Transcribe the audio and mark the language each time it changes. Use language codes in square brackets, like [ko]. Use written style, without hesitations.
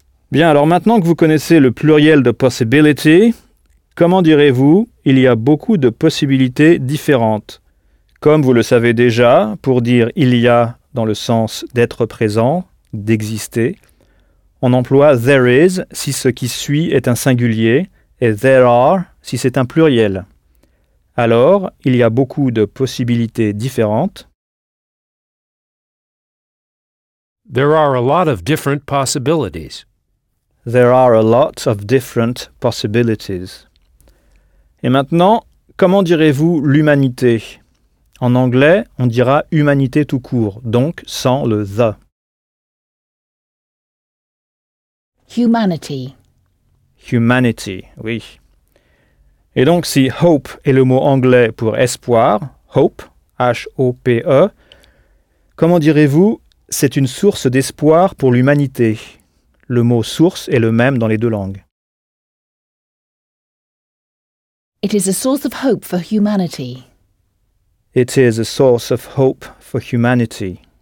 [fr] Bien, alors maintenant que vous connaissez le pluriel de « possibility », comment direz-vous « il y a beaucoup de possibilités différentes » Comme vous le savez déjà, pour dire « il y a » dans le sens d'être présent, d'exister, on emploie « there is » si ce qui suit est un singulier, et « there are » si c'est un pluriel. Alors, il y a beaucoup de possibilités différentes. [en] There are a lot of different possibilities. There are a lot of different possibilities. [fr] Et maintenant, comment direz-vous l'humanité ? En anglais, on dira humanité tout court, donc sans le « the ». [en] Humanity. Humanity, oui. [fr] Et donc, si « hope » est le mot anglais pour « espoir »,« hope », H-O-P-E, comment direz-vous « c'est une source d'espoir pour l'humanité » ? Le mot « source » est le même dans les deux langues. [en] It is a source of hope for humanity. It is a source of hope for humanity.